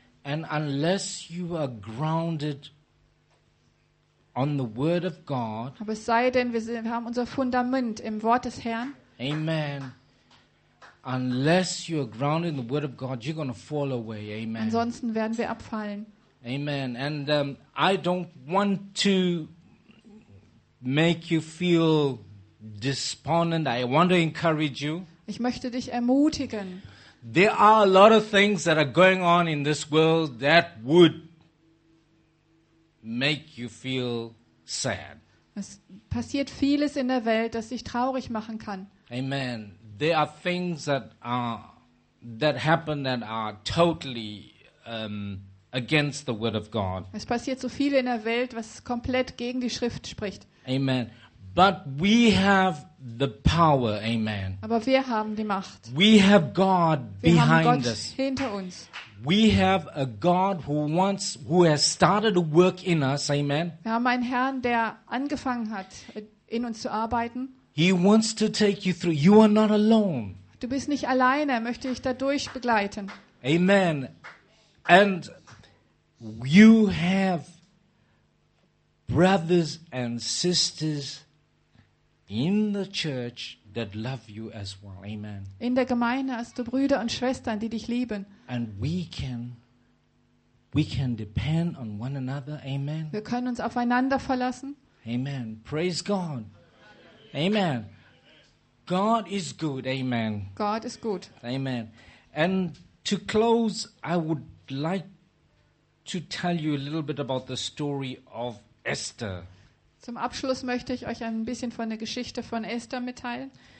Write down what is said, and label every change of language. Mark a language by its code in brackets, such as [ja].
[en] And unless you are grounded on the word of God. [de] Aber es sei denn, wir haben unser Fundament im Wort des Herrn. [en] Amen. Unless you are grounded in the word of God, you're going to fall away. Amen. [de] Ansonsten werden wir abfallen. [en] Amen. And I don't want to make you feel despondent. I want to encourage you. [de] Ich möchte dich ermutigen. [en] There are a lot of things that are going on in this world that would make you feel sad. [de] Es passiert vieles in der Welt, das dich traurig machen kann. [en] Amen. There are things that happen that are totally against the word of God. [de] Es passiert so viel in der Welt, was komplett gegen die Schrift spricht. [en] Amen. But we have the power, amen. [de] Aber wir haben die Macht. [en] We have God behind us. [de] Wir haben Gott hinter uns. [en] We have a God who has started a work in us, amen. [de] Wir haben einen Herrn, der angefangen hat, in uns zu arbeiten. [en] He wants to take you through. You are not alone. [de] Du bist nicht alleine, er möchte dich dadurch begleiten. [en] Amen. And you have brothers and sisters in the church that love you as well. Amen. [de] In der Gemeinde hast du Brüder und Schwestern, die dich lieben. [en] And we can depend on one another. Amen. [de] Wir können uns aufeinander verlassen. [en] Amen. Praise God. Amen. God is good. Amen. God is good. Amen. And to close, I would like to tell you a little bit about the story of Esther. [de] Zum Abschluss möchte ich euch ein bisschen von der Geschichte von Esther mitteilen.